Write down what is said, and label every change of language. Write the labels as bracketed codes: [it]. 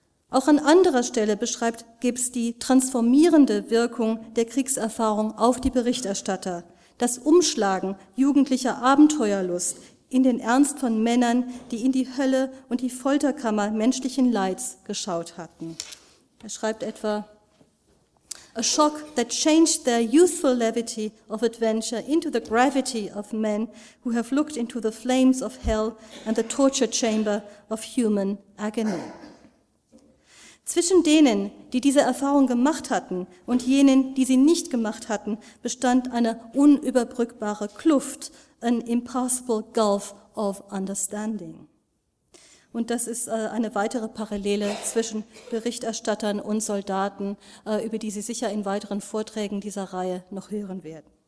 [de] Auch an anderer Stelle beschreibt Gibbs die transformierende Wirkung der Kriegserfahrung auf die Berichterstatter, das Umschlagen jugendlicher Abenteuerlust in den Ernst von Männern, die in die Hölle und die Folterkammer menschlichen Leids geschaut hatten. Er schreibt etwa: [en] A shock that changed their youthful levity of adventure into the gravity of men who have looked into the flames of hell and the torture chamber of human agony. [de] Zwischen denen, die diese Erfahrung gemacht hatten, und jenen, die sie nicht gemacht hatten, bestand eine unüberbrückbare Kluft, [en] an impassable gulf of understanding. [de] Und das ist eine weitere Parallele zwischen Berichterstattern und Soldaten, über die Sie sicher in weiteren Vorträgen dieser Reihe noch hören werden.